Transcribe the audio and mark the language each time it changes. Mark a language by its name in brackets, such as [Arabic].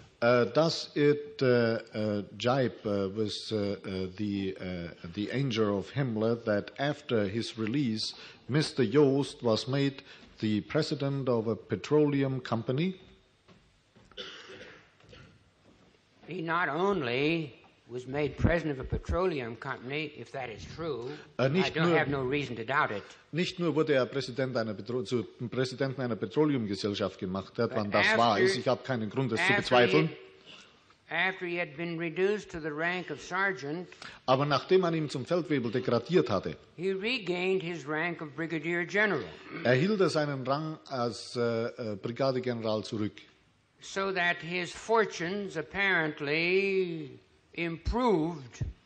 [English] Does it jibe with the anger of Himmler that after his release, Mr. Jost was made the president of a petroleum company? He not only was made president of a petroleum company, if that is true, have no reason to doubt it. [German] Nicht nur wurde er Präsidenten einer Petroleumgesellschaft gemacht, wann das wahr ist, ich habe keinen Grund, das zu bezweifeln. [English] After he had been reduced to the rank of sergeant, [German] aber nachdem man ihn zum Feldwebel degradiert hatte, [English] he regained his rank of brigadier general. [German] Erhielt er seinen Rang als Brigadegeneral zurück. [English] So that his fortunes apparently improved.